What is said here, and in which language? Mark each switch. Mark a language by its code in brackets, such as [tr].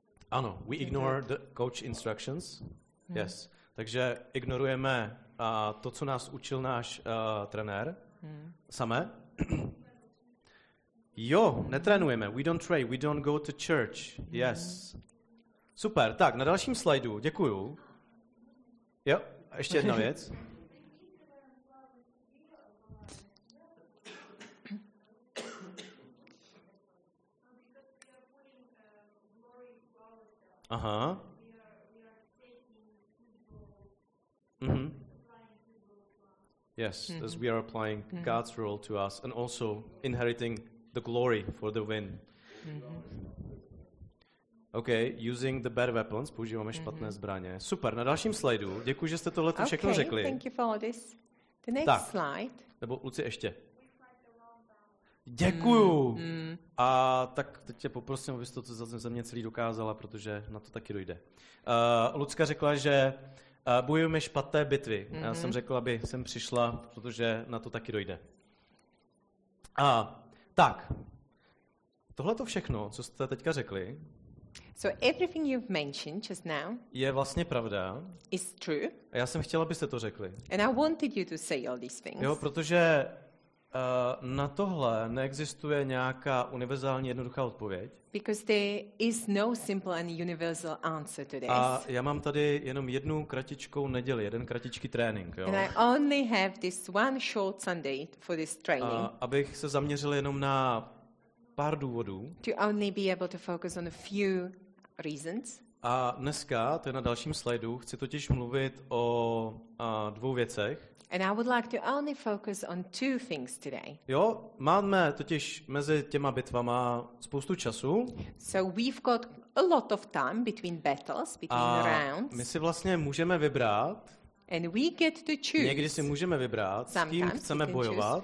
[en] Ano, we ignore the coach instructions. Uh-huh. Yes. [cs] Takže ignorujeme to, co nás učil náš trenér. Uh-huh. Samé. Jo, netrénujeme. [en] We don't train. We don't go to church. Yes. Super. [cs] Tak, na dalším slajdu. Děkuju. Jo, ještě jedna věc. Aha. Mhm. [en] Yes, as we are applying God's rule to us and also inheriting the glory for the win. Mm-hmm. Okay, using the bad weapons, [cs] používáme špatné zbraně. Super, na dalším slajdu. Děkuji, že jste tohle to všechno řekli. [en] Okay, thank you for all this. The next slide. [cs] Nebo Luci ještě. Děkuju. A tak teď tě poprosím, abys to za mě celý dokázala, protože na to taky dojde. Lucka řekla, že bojujeme špatné bitvy. Já jsem řekl, aby jsem přišla, protože na to taky dojde. A tak, tohle to všechno, co jste teďka řekli, [en] so everything you've mentioned just now [cs] je vlastně pravda. [en] Is true. [cs] A já jsem chtěla, abyste to řekli. [en] And I wanted you to say all these things. [cs] Jo, protože na tohle neexistuje nějaká univerzální jednoduchá odpověď. [en] Because there is no simple and universal answer to this. [cs] A já mám tady jenom jednu kratičkou neděli, jeden kratičký trénink, jo. [en] And I only have this one short Sunday for this training. [cs] Abych se zaměřil jenom na pár důvodů. [en] To only be able to focus on a few reasons. [cs] A dneska, to je na dalším slajdu, chci totiž mluvit o dvou věcech. [en] And I would like to only focus on two things today. [cs] Jo, máme totiž mezi těma bitvama spoustu času. [en] So we've got a lot of time between battles, between a rounds. [cs] My si vlastně můžeme vybrat. [en] And we get to choose. [cs] Někdy si můžeme vybrat, sometimes s kým chceme bojovat.